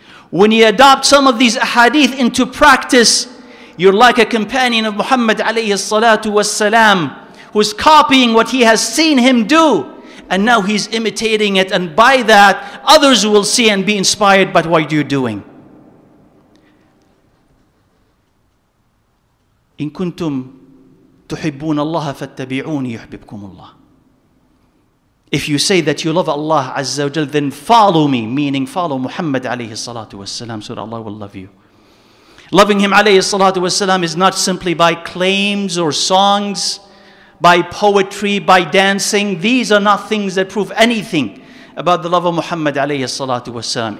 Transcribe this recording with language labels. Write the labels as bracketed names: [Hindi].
[English] When you adopt some of these ahadith into practice, you're like a companion of Muhammad alayhi salatu wasalam, who's copying what he has seen him do, and now he's imitating it, and by that, others will see and be inspired by what you're doing. [Arabic] إن كنتم تحبون الله فاتبعوني يحببكم الله. [English] If you say that you love Allah عز وجل, then follow me, meaning follow Muhammad عليه الصلاة والسلام. So that Allah will love you. Loving him عليه الصلاة والسلام is not simply by claims or songs, by poetry, by dancing. These are not things that prove anything about the love of Muhammad عليه الصلاة والسلام.